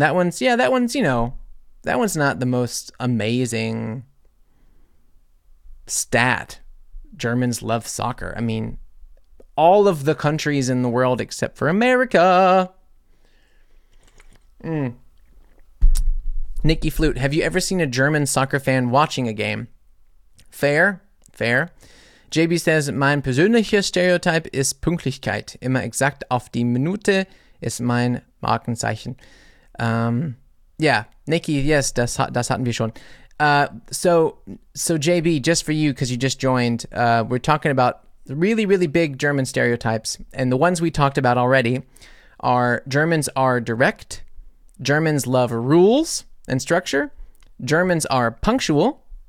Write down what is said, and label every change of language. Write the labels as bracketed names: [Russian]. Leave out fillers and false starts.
[English] That one's, you know, that one's not the most amazing stat. Germans love soccer. I mean, all of the countries in the world except for America. Nikki Flute, have you ever seen a German soccer fan watching a game? Fair, fair. [German] JB says, mein persönlicher Stereotype ist Pünktlichkeit. Immer exakt auf die Minute ist mein Markenzeichen. Yeah, Nikki, yes, das hatten wir schon. [English] So JB, just for you, because you just joined, we're talking about really, really big German stereotypes. And the ones we talked about already are Germans are direct. Germans love rules and structure. Germans are punctual.